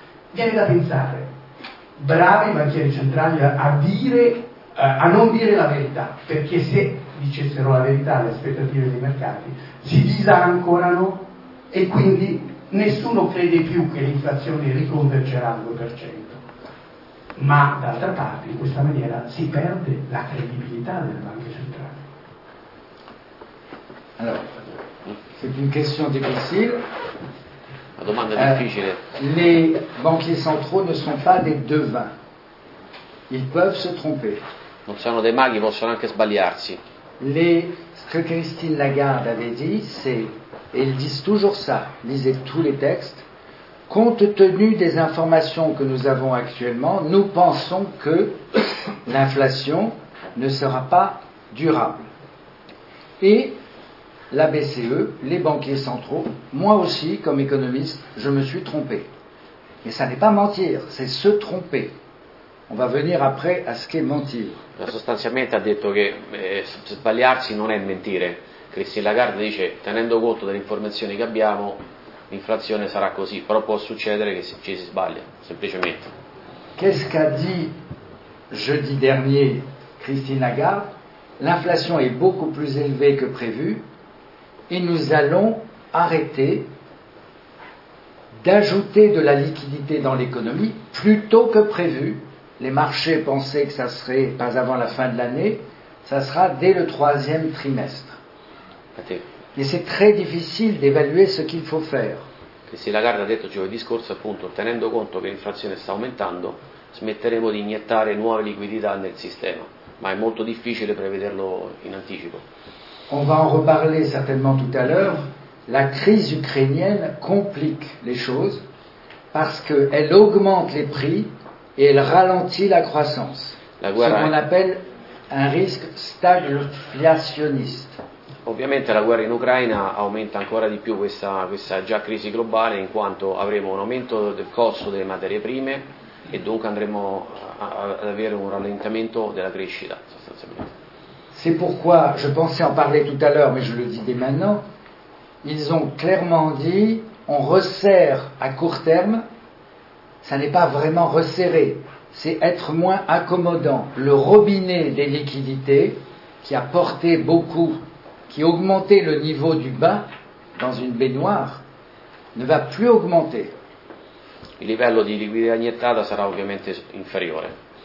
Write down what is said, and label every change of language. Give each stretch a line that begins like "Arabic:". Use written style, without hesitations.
Italian: viene da pensare, bravi banchieri centrali a non dire la verità, perché se dicessero la verità, le aspettative dei mercati si disancorano e quindi nessuno crede più che l'inflazione riconvergerà al 2%. Ma d'altra parte, in questa maniera si perde la credibilità delle banche centrali. Allora, c'è una questione difficile. La domanda è difficile.
French: Les banquiers centraux ne sont pas des devins. Ils peuvent se tromper.
Italian: Non sono dei maghi, possono anche sbagliarsi.
French: Ce que Christine Lagarde avait dit, c'est, et ils disent toujours ça, lisez tous les textes, compte tenu des informations que nous avons actuellement, nous pensons que l'inflation ne sera pas durable. Et la BCE, les banquiers centraux, moi aussi, comme économiste, je me suis trompé. Mais ça n'est pas mentir, c'est se tromper. On va venir après à ce qu'est mentir.
Italian: Sostanzialmente ha detto che sbagliarsi non è mentire, Christine Lagarde dice, tenendo conto delle informazioni che abbiamo, l'inflazione sarà così, però può succedere che ci si sbaglia, semplicemente.
French: Qu'est-ce qu'a dit jeudi dernier Christine Lagarde? L'inflation est beaucoup plus élevée que prévu et nous allons arrêter d'ajouter de la liquidité dans l'économie plus tôt que prévu. Les marchés pensaient que ça serait pas avant la fin de l'année, ça sera dès le troisième trimestre. Mais c'est très difficile d'évaluer ce qu'il faut faire.
Italian: Christine Lagarde a detto giovedì scorso, appunto, tenendo conto che l'inflazione sta aumentando, smetteremo di iniettare nuove liquidità nel sistema, ma è molto difficile prevederlo in anticipo.
French: On va en reparler certainement tout à l'heure. La crise ucrainienne complique les choses parce qu'elle augmente les prix et elle ralentit la croissance.
Italian: La guerra,
French: ce qu'on appelle un risque stagflationniste.
Italian: Ovviamente la guerra in Ucraina aumenta ancora di più questa già crisi globale, in quanto avremo un aumento del costo delle materie prime e dunque andremo ad avere un rallentamento della crescita, sostanzialmente.
French: C'est pourquoi je pensais en parler tout à l'heure, mais je le dis dès maintenant. Ils ont clairement dit, on resserre à court terme, ça n'est pas vraiment resserré, c'est être moins accommodant. Le robinet des liquidités qui a porté beaucoup, qui a augmenté le niveau du bain dans une baignoire, ne va plus augmenter.
Italian: Il livello di liquidità iniettata sarà ovviamente inferiore.